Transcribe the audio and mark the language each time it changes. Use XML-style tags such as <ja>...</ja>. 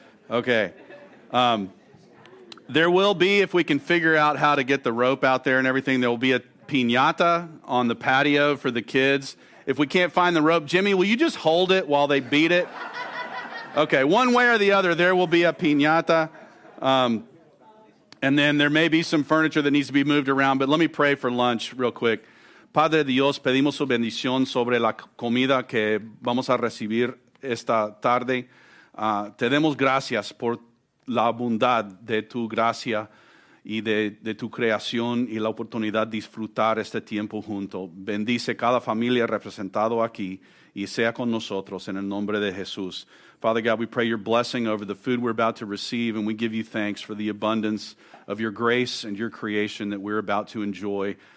<en>Okay. There will be, if we can figure out how to get the rope out there and everything, there will be a piñata on the patio for the kids. If we can't find the rope, Jimmy, will you just hold it while they beat it? Okay, one way or the other, there will be a piñata. And then there may be some furniture that needs to be moved around, but let me pray for lunch real quick.</en> <es>Padre Dios, pedimos su bendición sobre la comida que vamos a recibir esta tarde. Te demos gracias por la bondad de tu gracia y de tu creación y la oportunidad de disfrutar este tiempo junto. Bendice cada familia representado aquí y sea con nosotros en el nombre de Jesús.</es> <en>Father God, we pray your blessing over the food we're about to receive, and we give you thanks for the abundance of your grace and your creation that we're about to enjoy.</en>